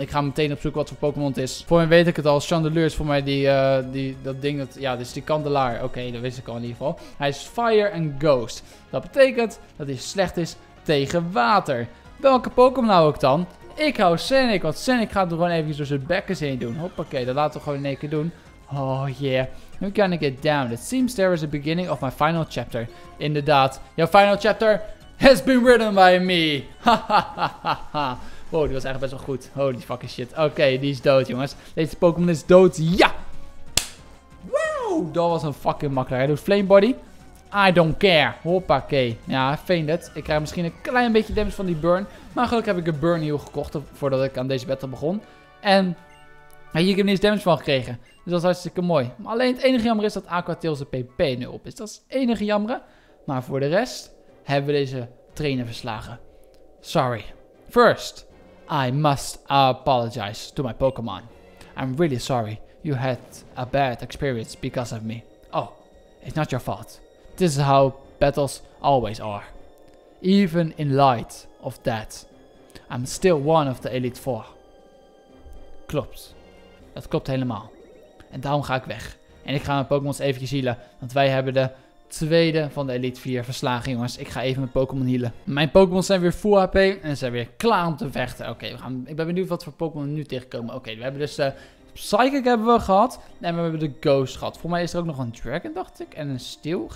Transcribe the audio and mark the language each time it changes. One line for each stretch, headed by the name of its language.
Dutch: Ik ga meteen op zoek wat voor Pokémon het is. Voor mij weet ik het al. Chandelure is voor mij dat ding. Ja, dus die kandelaar. Oké, dat wist ik al in ieder geval. Hij is Fire and Ghost. Dat betekent dat hij slecht is tegen water. Welke Pokémon hou ik dan? Ik hou Senic. Want Senic gaat er gewoon even door zijn bekken heen doen. Hoppakee, dat laten we gewoon in 1 keer doen. Oh yeah. Nu kan ik get down.
English: It seems there is a beginning of my final chapter. Inderdaad. Jouw final chapter has been written by me. Hahaha.
Dutch: Wow, die was eigenlijk best wel goed.
English: Holy fucking shit.
Dutch: Oké, die is dood, jongens. Deze Pokémon is dood. Ja. Wow. Dat was een fucking makkelijk. Hij doet Flame Body.
English: I don't care.
Dutch: Hoppakee. Ja, feint het. Ik krijg misschien een klein beetje damage van die burn. Maar gelukkig heb ik een burn heel gekocht voordat ik aan deze battle begon. En hier heb ik niets damage van gekregen. Dus dat is hartstikke mooi. Maar alleen het enige jammer is dat Aquatil zijn PP nu op is. Dat is het enige jammer. Maar voor de rest hebben we deze trainer verslagen.
English: Sorry. First, I must apologize to my Pokémon. I'm really sorry you had a bad experience because of me. Oh, it's not your fault. This is how battles always are. Even in light of that, I'm still one of the Elite Four.
Dutch: Klopt. Dat klopt helemaal. En daarom ga ik weg. En ik ga mijn Pokémon eventjes healen, want wij hebben de tweede van de Elite 4 verslagen, jongens. Ik ga even mijn Pokémon healen. Mijn Pokémon zijn weer full HP en zijn weer klaar om te vechten. Oké, ik ben benieuwd wat voor Pokémon nu tegenkomen. Oké, we hebben dus Psychic hebben we gehad. En we hebben de Ghost gehad. Volgens mij is er ook nog een Dragon, dacht ik. En een Steel.